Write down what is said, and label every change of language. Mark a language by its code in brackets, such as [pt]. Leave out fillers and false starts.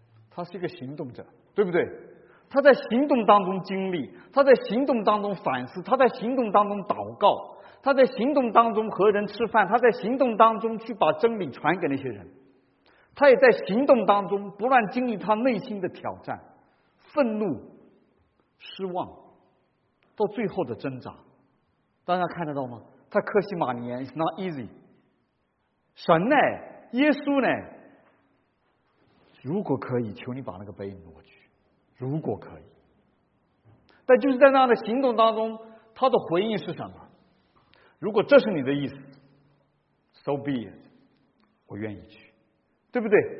[zh] 他是一个行动者，对不对？他在行动当中经历，他在行动当中反思，他在行动当中祷告，他在行动当中和人吃饭，他在行动当中去把真理传给那些人，他也在行动当中不断经历他内心的挑战，愤怒，失望，到最后的挣扎。大家看得到吗？ [en] 他克西马尼 It's not easy。 [zh] 神呢，耶稣呢，如果可以，求你把那个杯挪去，如果可以。但就是在那样的行动当中，他的回应是什么？如果这是你的意思， [en] So be it， [zh] 我愿意去，对不对？